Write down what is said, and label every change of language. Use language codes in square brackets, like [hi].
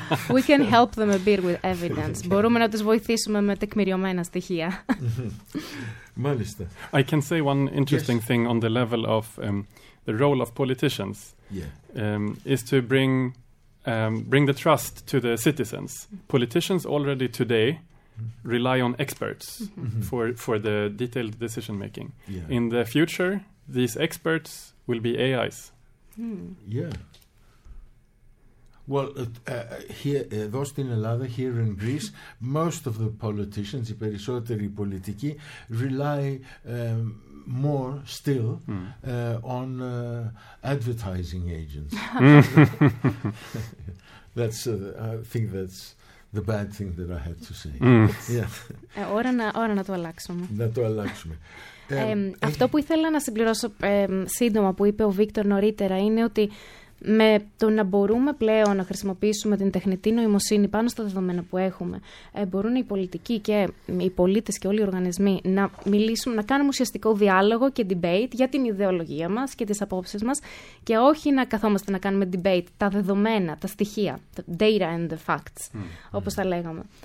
[en] We can help them a bit with evidence. [el] Μπορούμε να τους βοηθήσουμε με τεκμηριωμένα στοιχεία. Μάλιστα. [en] I can say one interesting yes. thing on the level of the role of politicians. Yeah. Is to bring... bring the trust to the citizens. Politicians already today rely on experts mm-hmm. for the detailed decision making. Yeah. In the future, these experts will be AIs. Mm. Yeah. Well, here, [el] εδώ στην Ελλάδα, [en] here in Greece, most of the politicians, [el] οι περισσότεροι πολιτικοί, [en] rely more still on advertising agents. That's I think that's the bad thing that I had to say. Mm. Yeah. [el] Ώρα να το αλλάξουμε. Να το αλλάξουμε. Αυτό που ήθελα να συμπληρώσω σύντομα που είπε ο Βίκτορ νωρίτερα είναι ότι με το να μπορούμε πλέον να χρησιμοποιήσουμε την τεχνητή νοημοσύνη πάνω στα δεδομένα που έχουμε, μπορούν οι πολιτικοί και οι πολίτες και όλοι οι οργανισμοί να μιλήσουμε, να κάνουμε ουσιαστικό διάλογο και debate για την ιδεολογία μας και τις απόψεις μας και όχι να καθόμαστε να κάνουμε debate τα δεδομένα, τα στοιχεία, [en] the data and the facts, [el] όπως τα λέγαμε.